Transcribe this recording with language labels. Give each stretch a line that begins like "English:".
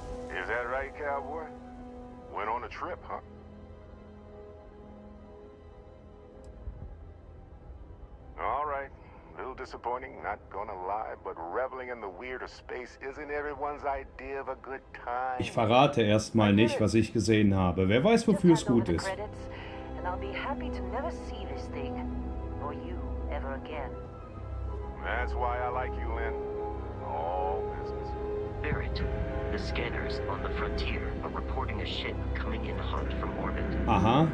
English: Is that right, cowboy? Went on a trip, huh? All right. A little disappointing, not gonna lie, but reveling in the weirder space isn't everyone's idea of a good time.
German: Ich verrate erstmal nicht, was ich gesehen habe. Wer weiß, wofür es gut ist.
English: And I'll be happy to never see this thing or you ever again. That's why I like you, Lynn. All business. Barrett, the scanners on the frontier are reporting a ship coming in hot from orbit. Aha.